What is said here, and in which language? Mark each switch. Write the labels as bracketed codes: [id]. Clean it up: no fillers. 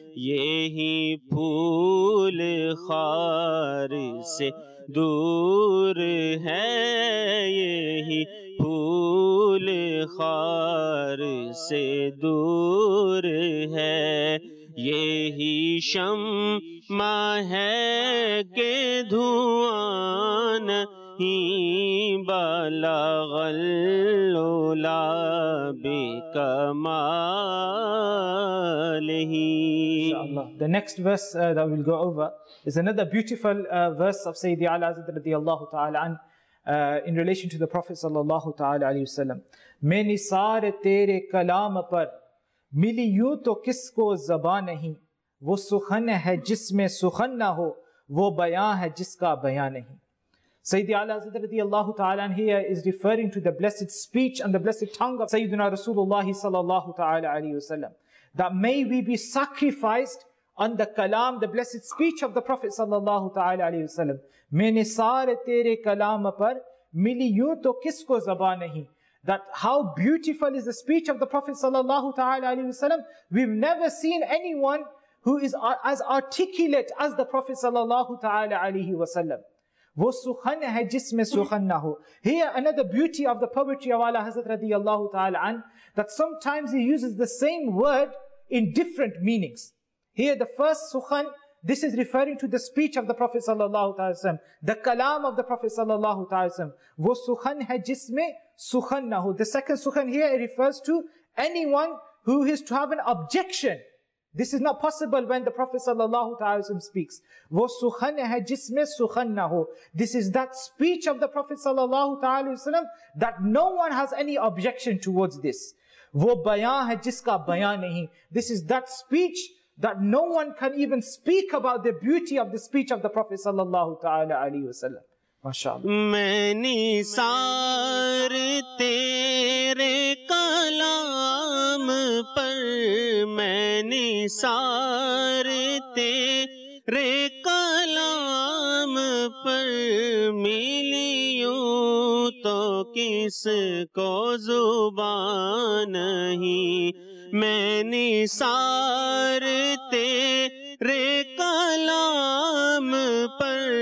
[ur] یہی پھول خار سے دور ہے، یہی پھول خار سے دور ہے، یہی شمع ہے کہ دھواں بلغل لاب Kamala. [en] The next verse that we'll go over is another beautiful verse of Sayyidi Ali Hazrat radiyallahu ta'ala an in relation to the Prophet sallallahu ta'ala alayhi wasallam. [ur] میں نثار تیرے کلام پر ملی یوں تو کس کو زبان نہیں، وہ سخن ہے جس میں سخن نہ ہو، وہ بیان ہے جس کا بیان نہیں. [en] Sayyidi Ali Hazrat radiyallahu ta'ala and here is referring to the blessed speech and the blessed tongue of Sayyidina Rasulullah sallallahu ta'ala alayhi wa sallam. That may we be sacrificed on the kalam, the blessed speech of the Prophet sallallahu ta'ala alayhi wa sallam. [ur] میں نثار تیرے کلام پر ملی یوں تو کس کو زبان نہیں. [en] That how beautiful is the speech of the Prophet sallallahu ta'ala alayhi wa sallam. We've never seen anyone who is as articulate as the Prophet sallallahu ta'ala alayhi wa sallam. [ur] وہ سخن ہے جس میں سخن نہ ہو. [en] Here another beauty of the poetry of Ala Hazrat radiyallahu ta'ala an, that sometimes he uses the same word in different meanings. Here the first sukhan, this is referring to the speech of the Prophet sallallahu ta'ala sallam, the kalam of the Prophet sallallahu ta'ala sallam. [ur] وہ سخن ہے جس میں سخن نہ ہو. [en] The second sukhan here, it refers to anyone who is to have an objection. This is not possible when the Prophet sallallahu ta'ala wa sallam speaks. [ur] وہ سخن ہے جس میں سخن نہ ہو. [en] This is that speech of the Prophet sallallahu ta'ala wa sallam that no one has any objection towards this. [ur] وہ بیان ہے جس کا بیان نہیں. [en] This is that speech that no one can even speak about the beauty of the speech of the Prophet sallallahu ta'ala alayhi wa sallam. MashaAllah. [ur] میں نثار تیرے کلام پر، میں نثار تیرے کلام پر ملی یوں تو کس کو زبان نہیں، میں نثار تیرے کلام پر،